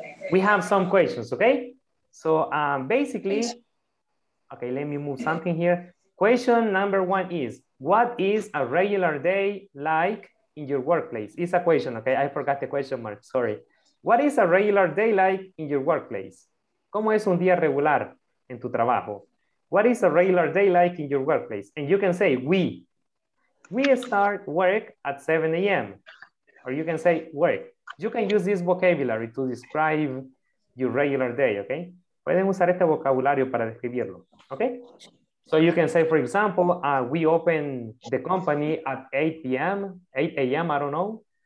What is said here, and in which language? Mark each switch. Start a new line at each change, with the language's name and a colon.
English: We have some questions, okay? So basically, okay, let me move something here. Question number one is, what is a regular day like in your workplace? It's a question, okay? I forgot the question mark, sorry. What is a regular day like in your workplace?
Spanish: ¿Cómo es un día regular en tu trabajo?
English: What is a regular day like in your workplace? And you can say, we start work at 7 a.m. Or you can say work. You can use this vocabulary to describe your regular day, okay?
Spanish: Pueden usar este vocabulario para describirlo,
English: okay? So you can say, for example, we open the company at 8 a.m., I don't know.